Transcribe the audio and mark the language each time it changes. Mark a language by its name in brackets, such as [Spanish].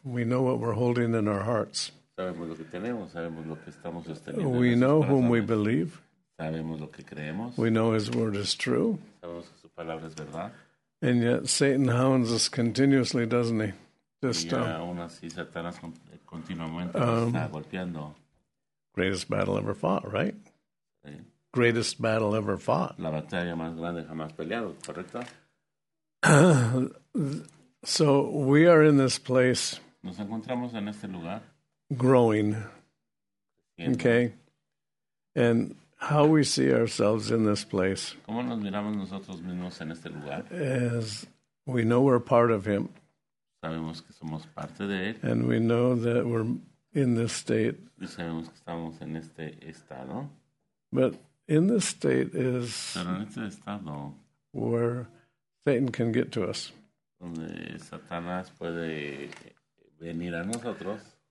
[English] We know what we're holding in our hearts. [Spanish] Sabemos lo que tenemos, sabemos lo que estamos sosteniendo. [English] We know whom we believe. [Spanish] Sabemos lo que creemos. [English] We know his word is true. [Spanish] Sabemos que su palabra es verdad. [English] And yet Satan hounds us continuously, doesn't he? [Spanish] Just, y aún así Satanás continuamente nos está golpeando. [English] Greatest battle ever fought, right? Sí. Greatest battle ever fought. [Spanish] La batalla más grande jamás peleado, ¿correcto? [English] So we are in this place. [Spanish] Nos encontramos en este lugar. [English] Growing. [Spanish] Bien, [English] okay. And how we see ourselves in this place. [Spanish] ¿Cómo nos miramos nosotros mismos en este lugar? [English] As we know we're part of him. [Spanish] Sabemos que somos parte de él. [English] And we know that we're in this state. [Spanish] Y sabemos que estamos en este estado. [English] But in this state is [Spanish] pero en este estado, [English] where Satan can get to us. [Spanish] Donde Satanás puede venir a nosotros.